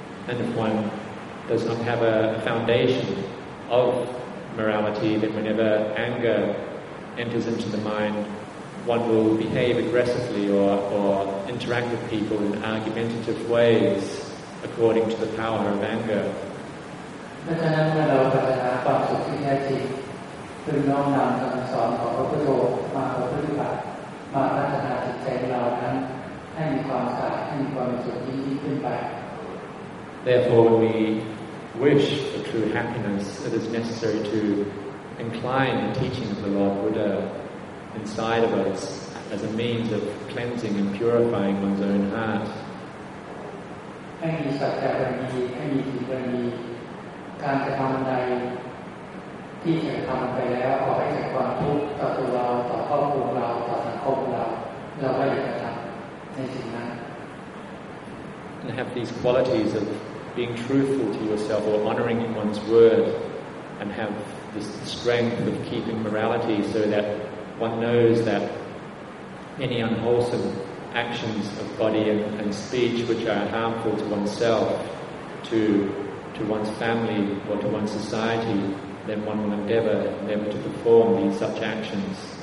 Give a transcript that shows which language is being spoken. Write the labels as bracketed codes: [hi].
[en] And if one does not have a foundation of morality, then whenever anger enters into the mind, one will behave aggressively or interact with people in argumentative ways according to the power of anger. [th] ดังนั้นเมื่อเราพัฒนาความสุขที่แท้จริงซึ่งน้อมนำคำสอนของพระพุทธองค์มาประพฤติปฏิบัติมาพัฒนาจิตใจเรานั้นให้มีความสะอาดให้มีความสุขยิ่งขึ้นไป [en] Therefore, when we wish for true happiness, it is necessary to incline the teaching of the Lord Buddha inside of us as a means of cleansing and purifying one's own heart. [th] ให้มีสัจจะบารมีให้มีศีลบารมีการกระทำใดที่จะทำไปแล้วขอให้เกิดความทุกข์ต่อตัวเราต่อครอบครัวเราต่อสังคมเราเราก็อยากจะทำ [en] And have these qualities of being truthful to yourself or honoring one's word, and have this strength of keeping morality so that one knows that any unwholesome actions of body and speech which are harmful to oneself, to one's family or to one's society, then one will endeavor to perform these such actions.